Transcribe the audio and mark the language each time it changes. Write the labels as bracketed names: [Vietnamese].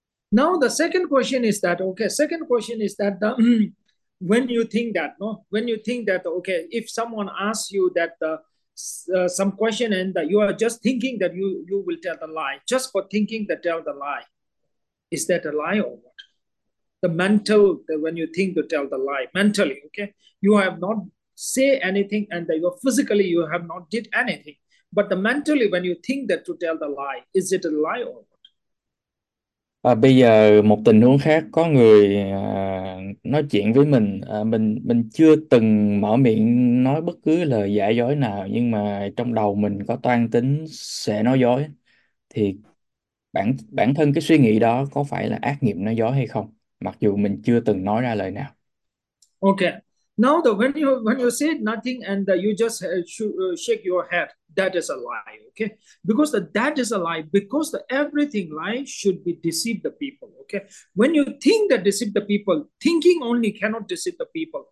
[English] Now the second question is that, okay, second question is that when you think that, no, when you think that, okay, if someone asks you that some question and that you are just thinking that you will tell the lie just for thinking that tell the lie, is that a lie or what? The mental, that when you think to tell the lie mentally, okay, you have not say anything and that you physically you have not did anything, but the mentally when you think that to tell the lie, is it a lie or what? [Vietnamese] À, bây giờ một tình huống khác, có người nói chuyện với mình chưa từng mở miệng nói bất cứ lời giả dối nào, nhưng mà trong đầu mình có toan tính sẽ nói dối, thì bản bản thân cái suy nghĩ đó có phải là ác nghiệp nói dối hay không, mặc dù mình chưa từng nói ra lời nào? [English] Okay, Now the when you say nothing and you just shake your head, that is a lie, okay? Because that is a lie, because everything lie should be deceive the people, okay? When you think that deceive the people, thinking only cannot deceive the people.